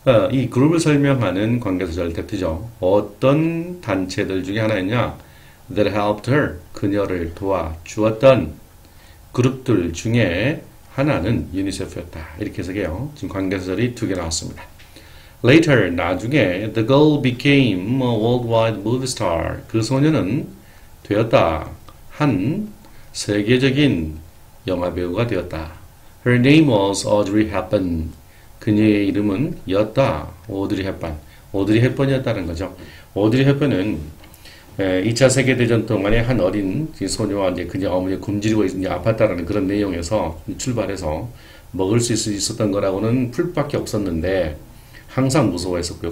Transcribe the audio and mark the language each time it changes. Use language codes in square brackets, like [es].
[ko] 이 그룹을 설명하는 관계사절 대표죠. 어떤 단체들 중에 하나였냐? [en] That helped her. [ko] 그녀를 도와주었던 그룹들 중에 하나는 유니세프였다. 이렇게 해석해요. 지금 관계사절이 두 개 나왔습니다. [en] Later, [ko] 나중에 [en] The girl became a worldwide movie star. [ko] 그 소녀는 되었다. 한 세계적인 영화 배우가 되었다. [en] Her name was Audrey Hepburn. [ko] 그녀의 이름은 였다. [en] Audrey Hepburn. [ko] Audrey Hepburn이었다는 거죠. Audrey Hepburn은 2차 세계대전 동안에 한 어린 소녀와 이제 그녀 어머니 굶주리고 이제 아팠다라는 그런 내용에서 출발해서 먹을 수 있었던 거라고는 풀밖에 없었는데 항상 무서워했었고요.